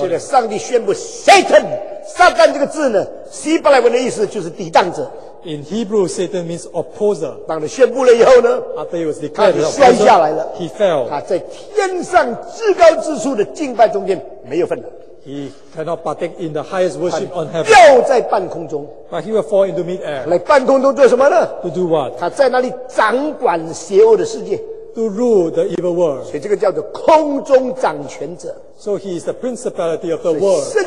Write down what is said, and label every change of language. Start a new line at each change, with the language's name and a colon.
Chinese: 现在上帝宣布 Satan, 撒旦这个字呢, 希伯来文的意思就是抵挡者。
English: In Hebrew, Satan means opposer.
Chinese: 当他宣布了以后呢,
English: after he was declared an opposer, he fell.
Chinese: 他在天上至高之处的敬拜中间没有份了。
English: He cannot partake in the highest worship on heaven.
Chinese: 掉在半空中,
English: but he will fall into mid-air.
Chinese: 来半空中做什么呢?
English: To do what?
Chinese: 他在那里掌管邪恶的世界,
English: to rule the evil world.
Chinese: 所以这个叫做空中掌权者。
English: So he is the principality of the world.